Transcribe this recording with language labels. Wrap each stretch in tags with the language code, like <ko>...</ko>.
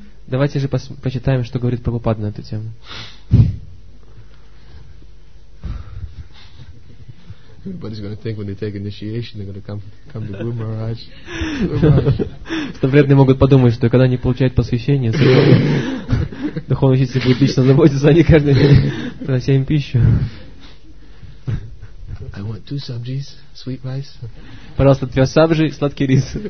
<ru>Давайте же прочитаем, что говорит Прабхупада на эту тему.</ru> <en>Everybody's going to think when they take initiation, they're going to come to Guru Maharaj.</en> <ru>Что вредные могут подумать, что когда они получают посвящение, духовный учитель будет лично заботиться о них каждый день, принося им пищу.</ru> <en>I want two sabjis, sweet rice.</en> <ru>Пожалуйста, две сабжи, сладкий рис.</ru>